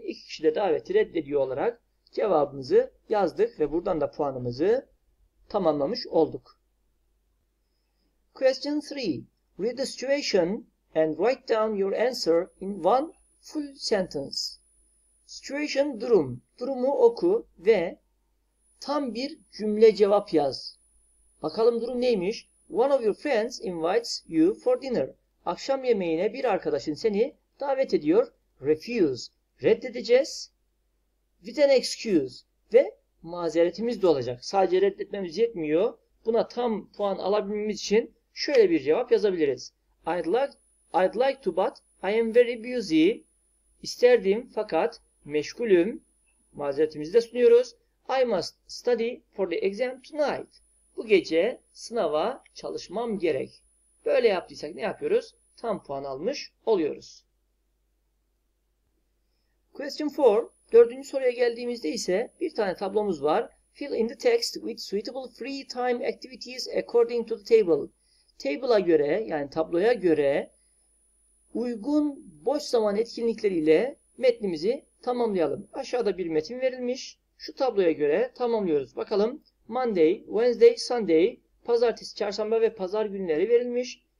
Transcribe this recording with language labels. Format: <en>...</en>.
<tr>İki kişi de daveti reddediyor olarak cevabımızı yazdık ve buradan da puanımızı tamamlamış olduk.</tr> <en>Question 3. Read the situation and write down your answer in one full sentence. Situation, durum.</en> <tr>Durumu oku ve tam bir cümle cevap yaz. Bakalım durum neymiş?</tr> <en>One of your friends invites you for dinner.</en> <tr>Akşam yemeğine bir arkadaşın seni davet ediyor. Refuse. Reddedeceğiz.</tr> <en>With an excuse.</en> <tr>Ve mazeretimiz de olacak. Sadece reddetmemiz yetmiyor. Buna tam puan alabilmemiz için şöyle bir cevap yazabiliriz.</tr> <en>I'd like to but I am very busy.</en> <tr>İsterdim fakat meşgulüm. Mazeretimizi de sunuyoruz.</tr> <en>I must study for the exam tonight.</en> <tr>Bu gece sınava çalışmam gerek. Böyle yaptıysak ne yapıyoruz? Tam puan almış oluyoruz.</tr> <en>Question 4.</en> <tr>Dördüncü soruya geldiğimizde ise bir tane tablomuz var.</tr> <en>Fill in the text with suitable free time activities according to the table.</en> <tr>Table'a göre, yani tabloya göre uygun boş zaman etkinlikleriyle metnimizi tamamlayalım. Aşağıda bir metin verilmiş. Şu tabloya göre tamamlıyoruz. Bakalım.</tr> <en>Monday, Wednesday, Sunday,</en> <tr>pazartesi, çarşamba ve pazar günleri verilmiş.</tr>